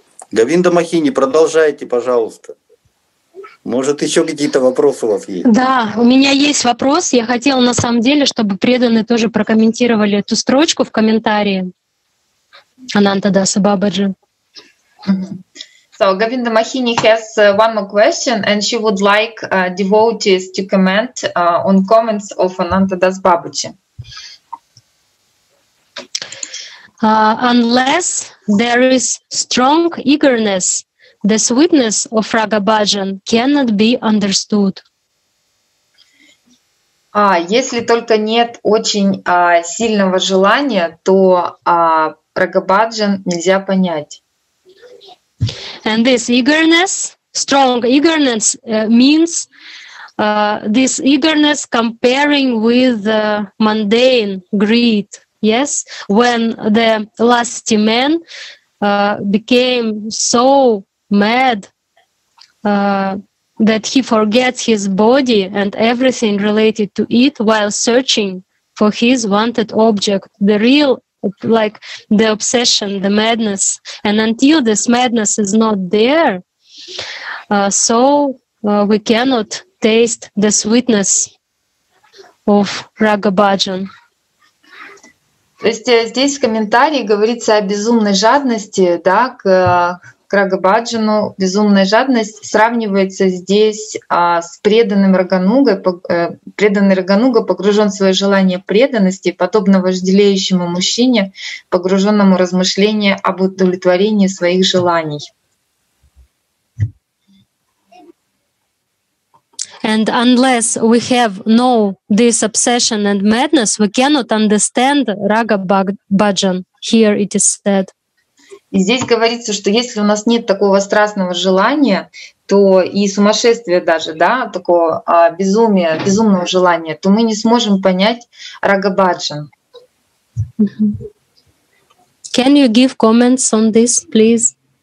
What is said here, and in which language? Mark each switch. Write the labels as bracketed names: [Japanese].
[Russian] Говинда Махини, продолжайте, пожалуйста. Может, еще какие-то вопросы у вас есть? Да, у меня есть вопрос. Я хотела, на самом деле, чтобы преданные тоже прокомментировали эту строчку в комментарии Ананта Даса Бабаджи. [English] So, Govinda Mahini has one more question, and she would like devotees to comment on comments of Ananta Das Babaji. Unless there is strong eagerness, the sweetness of Raga Bhajan cannot be understood. [Russian] Если только нет очень сильного желания, то Рага Бхаджан нельзя понять. [English] And this eagerness, strong eagerness, means this eagerness comparing with the mundane greed, yes? When the lusty man became so mad that he forgets his body and everything related to it while searching for his wanted object, the real, like the obsession, the madness. And until this madness is not there, So we cannot taste the sweetness of Raga Bhajan. [Russian] То есть здесь в комментарии говорится о безумной жадности, да, к Рага Бхаджану. Безумная жадность сравнивается здесь с преданным Рагануга. Преданный Рагануга погружен в свое желание преданности, подобно вожделеющему мужчине, погруженному в размышления об удовлетворении своих желаний. [English] And unless we have no this obsession and madness, we cannot understand Raga Bhajan. Here it is said. [Russian] И здесь говорится, что если у нас нет такого страстного желания, то и сумасшествия даже, да, такого безумия, безумного желания, то мы не сможем понять Raga Bhajan. [English] Mm-hmm. Can you give comments on this, please?